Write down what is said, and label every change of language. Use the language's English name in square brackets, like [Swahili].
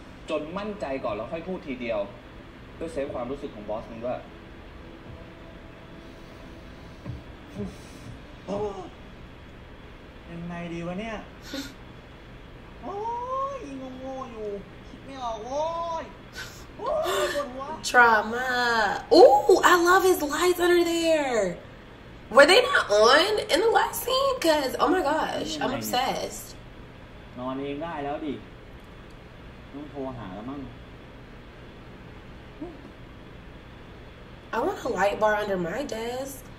[Thai] จนมั่นใจก่อนแล้วค่อยพูดทีเดียวเพื่อเซฟความรู้สึกของบอสมึงด้วย ยังไงดีวะเนี่ยโอ้ยงงๆอยู่คิดไม่ออกโอ้ย [English] โอ้ยทรามาโอ้ I love his lights under there Were they not on in the last scene? Cause oh my gosh I'm obsessed [Thai] นอนเองได้แล้วดิต้องโทรหาแล้วมั้ง [English] I want a light bar under my desk